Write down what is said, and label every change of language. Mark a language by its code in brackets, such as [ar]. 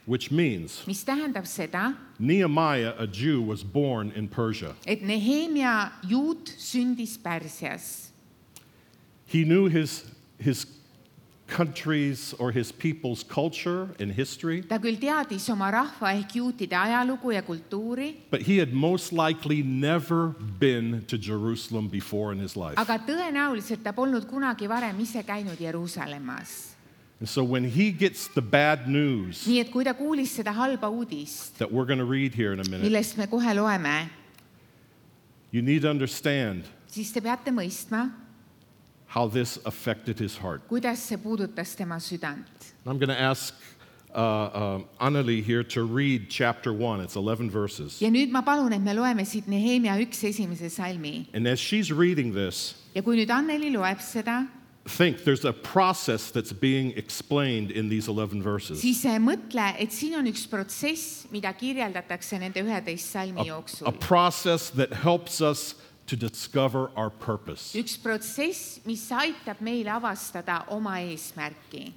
[en] Which means, [et] mis tähendab seda, [en] Nehemiah, a Jew, was born in Persia. [et] Et Nehemia juut sündis Pärsias. [en] He knew his countries or his people's culture and history. [et] Ta küll teadis oma rahva ehk juutide ajalugu ja kultuuri. [en] But he had most likely never been to Jerusalem before in his life. [et] Aga tõenäoliselt ta polnud kunagi varem ise käinud Jerusalemas. [en] And so when he gets the bad news, [et] nii et kui ta kuulis seda halba uudist, [en] that we're going to read here in a minute, [et] millest me kohe loeme, [en] you need to understand, [et] siis te peate mõistma, [en] how this affected his heart. [et] Kuidas see puudutas tema südant? [en] I'm going to ask Anneli here to read chapter 1. It's 11 verses. [et] Ja nüüd ma palun, et me loeme siit Nehemia 1 esimese salmi. [en] And as she's reading this, [et] ja kui nüüd Anneli loeb seda, [en] think there's a process that's being explained in these 11 verses. [et] Siis mõtle, et siin on üks protsess, mida kirjeldatakse nende 11 salmi jooksul. [en] A process that helps us to discover our purpose. [et] Üks protsess, mis aitab meil avastada oma eesmärki.